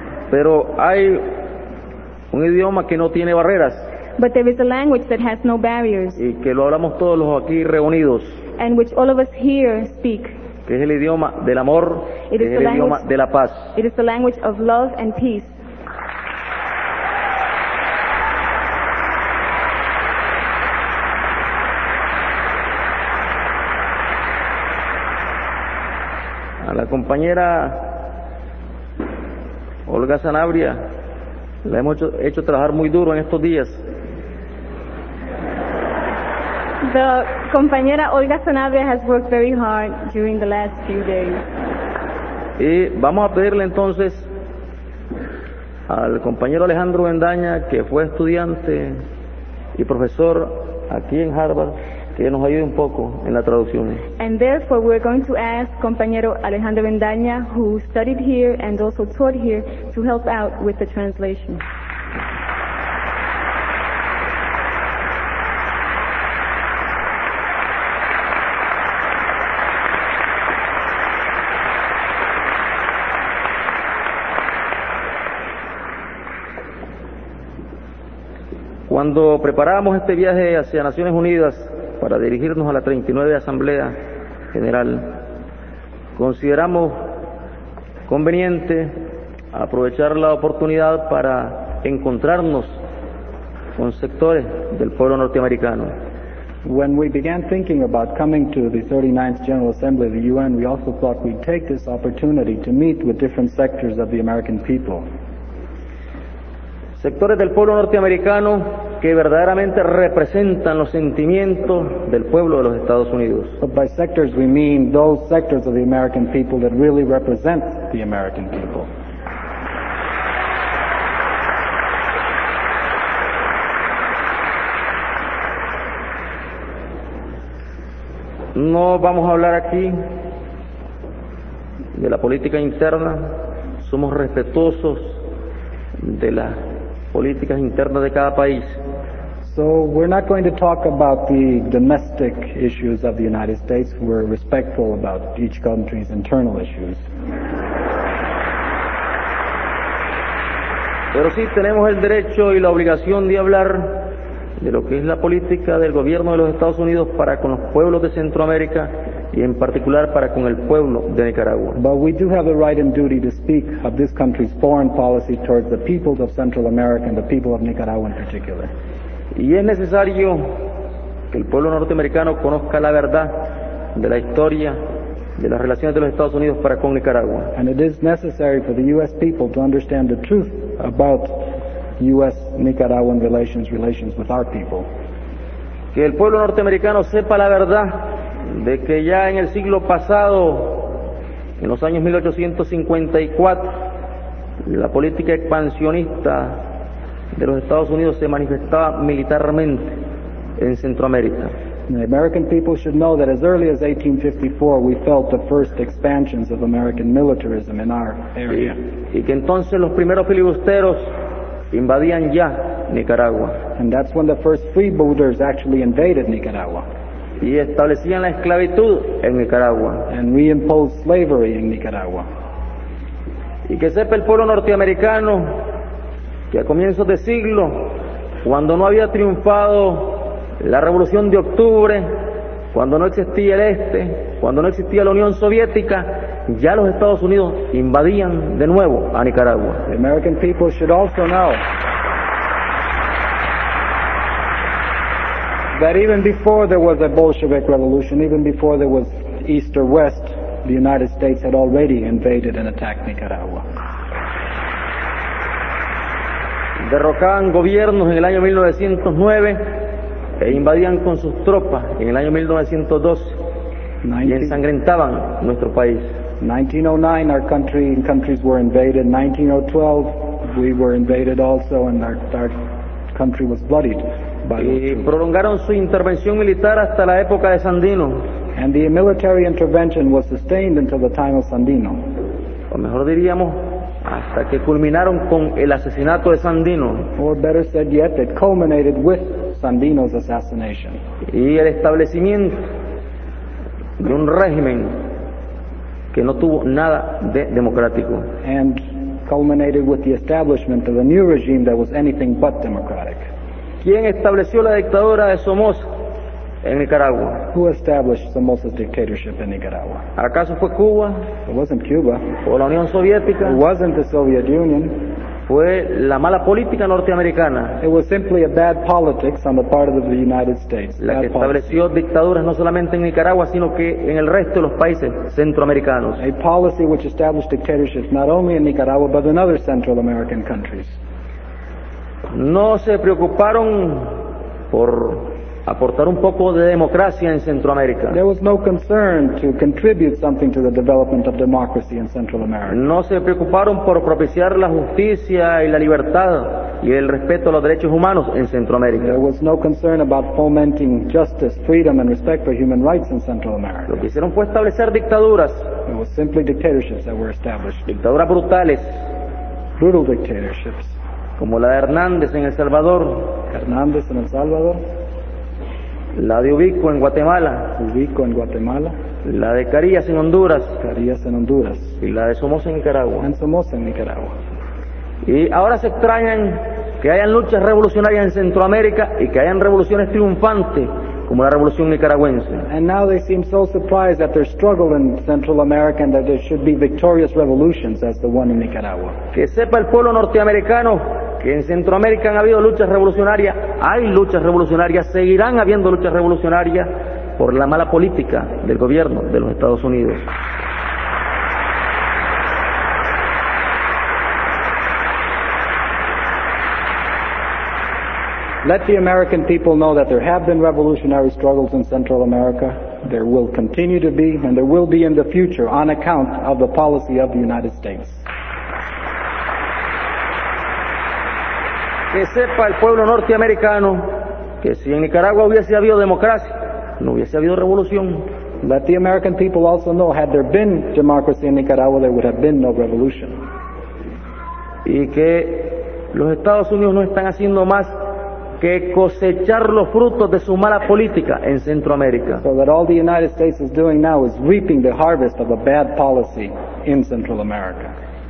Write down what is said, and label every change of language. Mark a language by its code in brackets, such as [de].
[es] Pero hay un idioma que no tiene barreras. [en] But there is a language that has no barriers. [es] Y que lo hablamos todos los aquí reunidos. [en] And which all of us here speak. [es] Que es el idioma del amor, que es el idioma de la paz. [en] It is the language of love and peace. [es] La compañera Olga Sanabria la hemos hecho trabajar muy duro en estos días. [en] The compañera Olga Sanabria has worked very hard during the last few days. [es] Y vamos a pedirle entonces al compañero Alejandro Bendaña, que fue estudiante y profesor aquí en Harvard, que nos ayude un poco en la traducción. [en] And therefore we're going to ask compañero Alejandro Bendaña, who studied here and also taught here, to help out with the translation. [es] Cuando preparábamos este viaje hacia Naciones Unidas para dirigirnos a la 39 Asamblea General, consideramos conveniente aprovechar la oportunidad para encontrarnos con sectores del pueblo norteamericano. [en] When we began thinking about coming to the 39th General Assembly of the UN, we also thought we'd take this opportunity to meet with different sectors of the American people. [es] Sectores del pueblo norteamericano que verdaderamente representan los sentimientos del pueblo de los Estados Unidos. [en] But by sectors we mean those sectors of the American people that really represent the American people. [es] No vamos a hablar aquí de la política interna. Somos respetuosos de las políticas internas de cada país. [en] So we're not going to talk about the domestic issues of the United States. We're respectful about each country's internal issues. [es] Pero sí tenemos el derecho y la obligación de hablar de lo que es la política del gobierno de los Estados Unidos para con los pueblos de Centroamérica y en particular para con el pueblo de Nicaragua. [en] But we do have the right and duty to speak of this country's foreign policy towards the peoples of Central America and the people of Nicaragua in particular. [es] Y es necesario que el pueblo norteamericano conozca la verdad de la historia de las relaciones de los Estados Unidos para con Nicaragua. [en] And it is necessary for the U.S. people to understand the truth about U.S.-Nicaraguan relations with our people. [es] Que el pueblo norteamericano sepa la verdad de que ya en el siglo pasado, en los años 1854, la política expansionista de los Estados Unidos se manifestaba militarmente en Centroamérica. [en] The American people should know that as early as 1854 we felt the first expansions of American militarism in our area. [es] Y que entonces los primeros filibusteros invadían ya Nicaragua. [en] And that's when the first freebooters actually invaded Nicaragua. [es] Y establecían la esclavitud en Nicaragua. [en] And reimposed slavery in Nicaragua. [es] Y que sepa el pueblo norteamericano que a comienzos de siglo, cuando no había triunfado la revolución de octubre, cuando no existía el este, cuando no existía la Unión Soviética, ya los Estados Unidos invadían de nuevo a Nicaragua. [en] The American people should also know that even before there was a Bolshevik revolution, even before there was East or West, the United States had already invaded and attacked Nicaragua. [es] Derrocaban gobiernos en el año 1909 e invadían con sus tropas en el año 1912 y ensangrentaban nuestro país. [en] 1909, our country and countries were invaded. 1912, we were invaded also, and our country was bloodied. [es] Y prolongaron su intervención militar hasta la época de Sandino. [en] And the military intervention was sustained until the time of Sandino. [es] O mejor diríamos, hasta que culminaron con el asesinato de Sandino. [en] Or better said yet, it culminated with Sandino's assassination. [es] Y el establecimiento de un régimen que no tuvo nada de democrático. [en] And culminated with the establishment of a new regime that was anything but democratic. [es] ¿Quién estableció la dictadura de Somoza en Nicaragua? [en] Who established Somoza's dictatorship in Nicaragua? [es] ¿Acaso fue Cuba? [en] It wasn't Cuba. [es] ¿O la Unión Soviética? [en] It wasn't the Soviet Union. [es] ¿Fue la mala política norteamericana? [en] It was simply a bad politics on the part of the United States. [es] La que estableció dictaduras no solamente en Nicaragua, sino que en el resto de los países centroamericanos. [en] A policy which established dictatorships not only in Nicaragua, but in other Central American countries. [es] No se preocuparon por aportar un poco de democracia en Centroamérica. [en] There was no concern to contribute something to the development of democracy in Central America. [es] No se preocuparon por propiciar la justicia y la libertad y el respeto a los derechos humanos en Centroamérica. [en] There was no concern about fomenting justice, freedom and respect for human rights in Central America. [es] Lo que hicieron fue establecer dictaduras. [en] It was simply dictatorships that were established. [es] Dictaduras brutales. [en] Brutal dictatorships. [es] Como la de Hernández en El Salvador. Hernández en El Salvador. La de Ubico en Guatemala. Ubico en Guatemala. La de Carías en Honduras. Carías en Honduras. Y la de Somoza en Nicaragua. En Somoza en Nicaragua. Y ahora se extrañan que hayan luchas revolucionarias en Centroamérica y que hayan revoluciones triunfantes como la revolución nicaragüense. [en] And now they seem so surprised at their struggle in Central America and that there should be victorious revolutions as the one in Nicaragua. [es] Que sepa el pueblo norteamericano que en Centroamérica han habido luchas revolucionarias, hay luchas revolucionarias, seguirán habiendo luchas revolucionarias por la mala política del gobierno de los Estados Unidos. [en] Let the American people know that there have been revolutionary struggles in Central America. There will continue to be, and there will be in the future on account of the policy of the United States. [es] Que sepa el pueblo norteamericano que si en Nicaragua hubiese habido democracia, no hubiese habido revolución. [en] Let the American people also know, had there been democracy in Nicaragua, there would have been no revolution. [es] Y que los Estados Unidos no están haciendo más que cosechar los frutos de su mala política en Centroamérica. [en] So that all the United States is doing now is reaping the harvest of a bad policy in Central America.